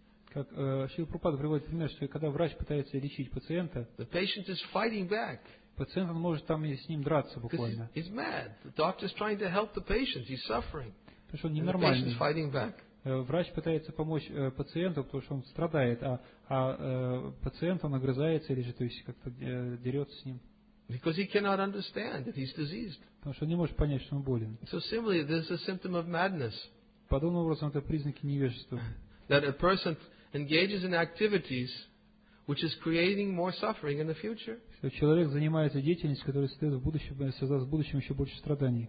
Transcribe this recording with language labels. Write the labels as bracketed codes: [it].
[ru] Как Шрила Прабхупада приводит пример, что когда врач пытается лечить пациента, [en] the patient is fighting back. [ru] Пациент может там с ним драться буквально. [en] He's mad. The doctor is trying to help the patient. He's suffering. [ru] Потому что он ненормальный. [en] The patient is fighting back. [ru] Врач пытается помочь пациенту, потому что он страдает, а пациент он огрызается или же, то есть, как-то дерется с ним. [en] Because he cannot understand that he's diseased. [ru] Потому что он не может понять, что он болен. [en] So similarly, this is a symptom of madness. [ru] Подобным образом, это признаки невежества. [en] That a person engages in activities which is creating more suffering in the future. [ru] Что человек занимается деятельностью, которая создает в будущем, еще больше страданий.